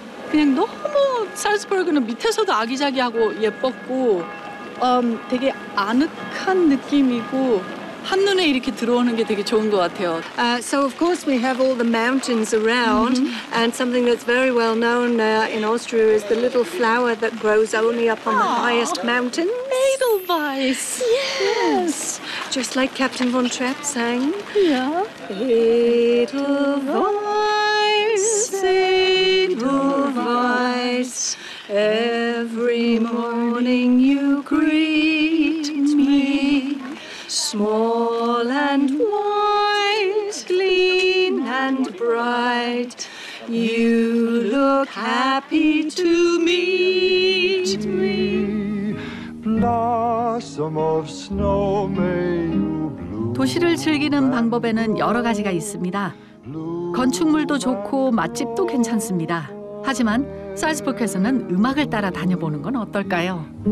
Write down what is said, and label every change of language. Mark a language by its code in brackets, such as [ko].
[ko] 그냥 너무 살츠부르크는 밑에서도 아기자기하고 예뻤고 되게 아늑한 느낌이고 한눈에 이렇게 들어오는 게 되게 좋은 것 같아요. [en] So of course we have all the mountains around and something that's very well known in Austria is the little flower that grows only up on the highest mountains. Edelweiss. Yes. Just like Captain von Trapp sang. Yeah. Edelweiss, Edelweiss, every morning you greet me. Small and white, clean and bright, you look happy to meet me. Blossom of snow, may you bloom. [ko] 도시를 즐기는 방법에는 여러 가지가 있습니다. 건축물도 좋고 맛집도 괜찮습니다. 하지만 살츠부르크에서는 음악을 따라 다녀보는 건 어떨까요?